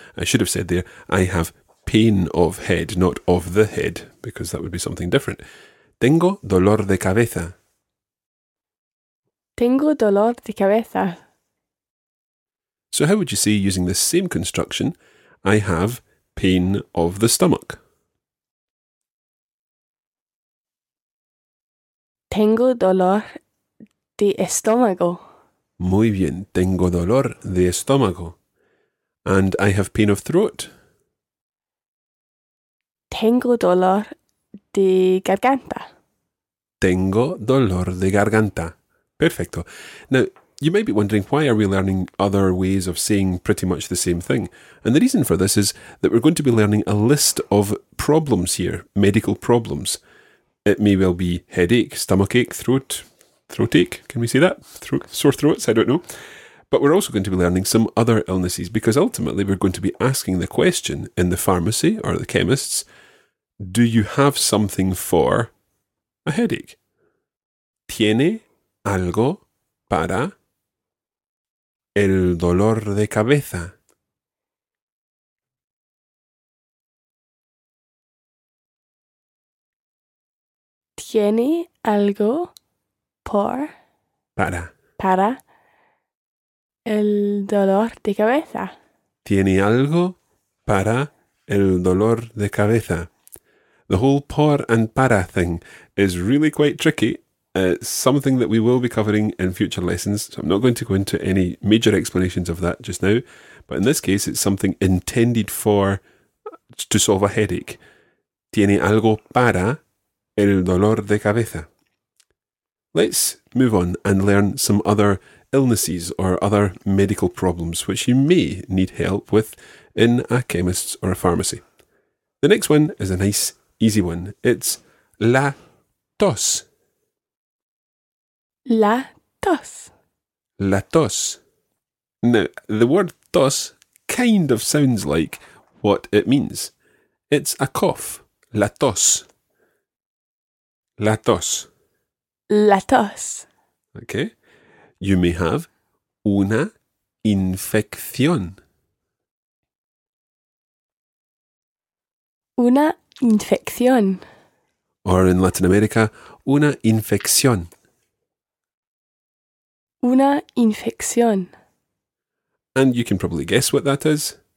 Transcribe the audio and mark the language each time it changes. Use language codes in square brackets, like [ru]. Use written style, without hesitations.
[en] I should have said there, I have pain of head, not of the head, because that would be something different. [es] Tengo dolor de cabeza. Tengo dolor de cabeza. [en] So how would you say, using the same construction, I have pain of the stomach? [es] Tengo dolor de estómago. Muy bien. Tengo dolor de estómago. [en] And I have pain of throat. [es] Tengo dolor de garganta. Tengo dolor de garganta. Perfecto. [en] Now, You may be wondering, why are we learning other ways of saying pretty much the same thing? And the reason for this is that we're going to be learning a list of problems here, medical problems. It may well be headache, stomachache, throat ache. Can we say that? Sore throats? I don't know. But we're also going to be learning some other illnesses, because ultimately we're going to be asking the question in the pharmacy or the chemist's, do you have something for a headache? [es] ¿Tiene algo para el dolor de cabeza? ¿Tiene algo por? Para. Para el dolor de cabeza. ¿Tiene algo para el dolor de cabeza? [en] The whole por and para thing is really quite tricky. It's something that we will be covering in future lessons, so I'm not going to go into any major explanations of that just now. But in this case, it's something intended for, to solve a headache. [es] ¿Tiene algo para el dolor de cabeza? [en] Let's move on and learn some other illnesses or other medical problems which you may need help with in a chemist's or a pharmacy. The next one is a nice, easy one. It's [es] la tos. La tos. La tos. [en] Now, the word tos kind of sounds like what it means. It's a cough. [es] La tos. La tos. La tos. [en] Okay. You may have [es] una infección. Una infección. [en] Or in Latin America, [es] una infección. Una infección. [en] And you can probably guess what that is.